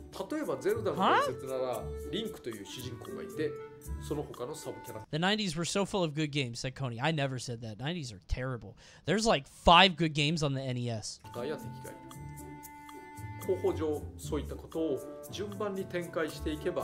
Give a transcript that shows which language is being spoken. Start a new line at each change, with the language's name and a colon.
Japanese: 例えばゼルダの伝説なら、リンクという主人公がいて、その他のサブキャラ。
English: The 90s were so full of good games, said Coney. I never said that. 90s are terrible. There's like five good games on the NES.
Japanese: ガイア敵がいる。方法上そういったことを順番に展開していけば